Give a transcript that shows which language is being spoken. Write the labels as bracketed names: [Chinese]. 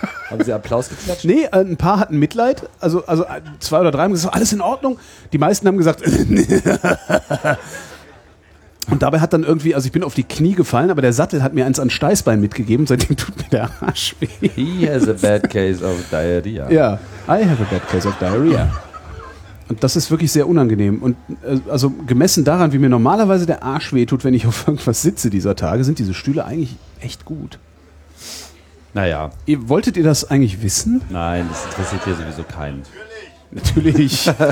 [German] Haben sie Applaus geklatscht? Nee, ein paar hatten Mitleid. Also zwei oder drei haben gesagt, alles in Ordnung. Die meisten haben gesagt, und dabei hat dann irgendwie, also ich bin auf die Knie gefallen, aber der Sattel hat mir eins an Steißbein mitgegeben. Seitdem tut mir der Arsch weh. [English] He has a bad case of diarrhea. Yeah, I have a bad case of diarrhea. [German] Und das ist wirklich sehr unangenehm. Und also gemessen daran, wie mir normalerweise der Arsch weh tut, wenn ich auf irgendwas sitze dieser Tage, sind diese Stühle eigentlich echt gut. Naja. Wolltet ihr das eigentlich wissen? Nein, das interessiert hier sowieso keinen. Natürlich.